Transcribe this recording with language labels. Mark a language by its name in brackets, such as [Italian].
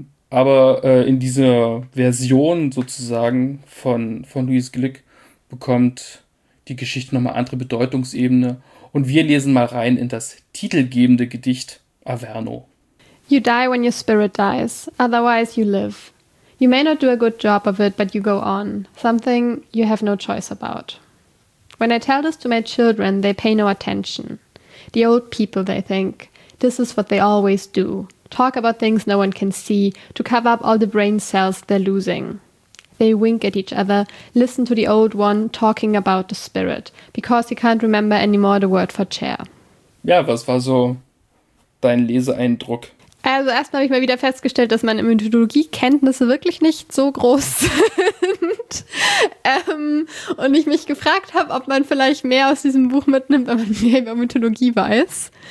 [German] Aber in dieser Version sozusagen von Louise Glück bekommt die Geschichte nochmal andere Bedeutungsebene. Und wir lesen mal rein in das titelgebende Gedicht Averno. [English] You die when your spirit dies, otherwise you live. You may not do a good job of it, but you go on. Something you have no choice about. When I tell this to my children, they pay no attention. The old people, they think, this is what they always do. Talk about things no one can see, to cover up all the brain cells they're losing. They wink at each other, listen to the old one talking about the spirit, because he can't remember anymore the word for chair. [German] Ja, was war so dein Leseeindruck? Also erstmal habe ich mal wieder festgestellt, dass meine Mythologiekenntnisse wirklich nicht so groß sind. Und ich mich gefragt habe, ob man vielleicht mehr aus diesem Buch mitnimmt, wenn man mehr über Mythologie weiß.